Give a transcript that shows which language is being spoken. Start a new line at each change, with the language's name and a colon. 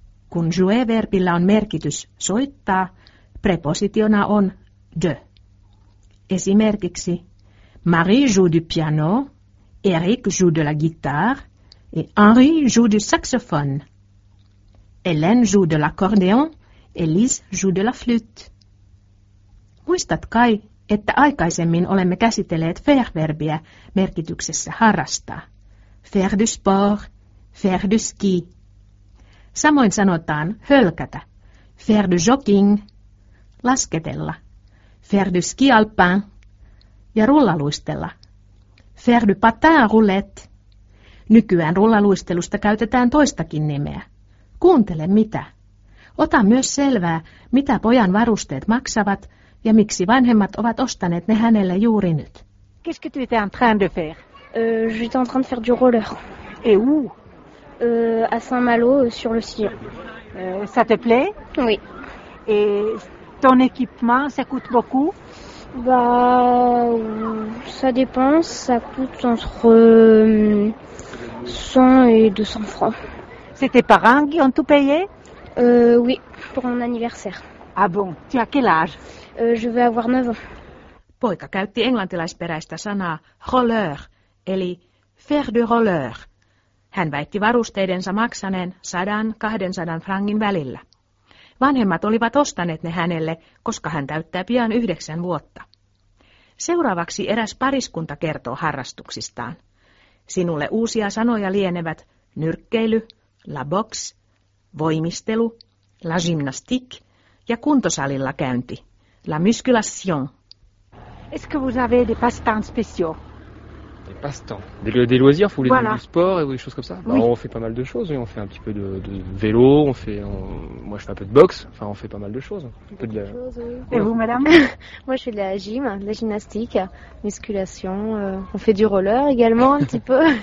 Finnish: Kun jouer-verbillä on merkitys soittaa, prepositiona on de. Esimerkiksi
French: Marie joue du piano, Eric joue de la guitare et Henri joue du saxophone. Hélène joue de l'accordéon et Lise joue de la flûte.
Finnish: Muistat kai, että aikaisemmin olemme käsitelleet faire-verbiä merkityksessä harrastaa.
French: Faire du sport, faire du ski.
Finnish: Samoin sanotaan hölkätä,
French: faire du jogging,
Finnish: lasketella,
French: faire du ski alpin
Finnish: ja rullaluistella,
French: faire du patin roulette.
Finnish: Nykyään rullaluistelusta käytetään toistakin nimeä. Kuuntele mitä. Ota myös selvää, mitä pojan varusteet maksavat. Ja miksi vanhemmat ovat ostaneet ne hänelle juuri nyt?
French: Qu'est-ce que tu étais en train de faire? J'étais en train de faire du roller. Et où? À Saint-Malo, sur le Sire. Ça te plaît? Oui. Et ton équipement, ça coûte beaucoup? Bah, ça dépend. Ça coûte entre 100 et 200 francs. C'est tes parents qui ont tout payé? Oui, pour mon anniversaire. Ah bon, tu as quel âge? Je vais avoir 9 ans.
Finnish: Poika käytti englantilaisperäistä sanaa roller, eli
French: faire du roller.
Finnish: Hän väitti varusteidensa maksaneen 100-200 frangin välillä. Vanhemmat olivat ostaneet ne hänelle, koska hän täyttää pian 9 vuotta. Seuraavaksi eräs pariskunta kertoo harrastuksistaan. Sinulle uusia sanoja lienevät nyrkkeily,
French: la boxe,
Finnish: voimistelu,
French: la gymnastique
Finnish: ja kuntosalilla käynti.
French: La musculation. Est-ce que vous avez des passe-temps spéciaux? Des passe-temps, des loisirs, vous voulez voilà. Du sport et des choses comme ça? Bah oui. On fait pas mal de choses, on fait un petit peu de vélo, moi je fais un peu de boxe, enfin on fait pas mal de choses. Et voilà. Vous madame? Moi je fais de la gym, de la gymnastique, musculation, on fait du roller également un petit peu.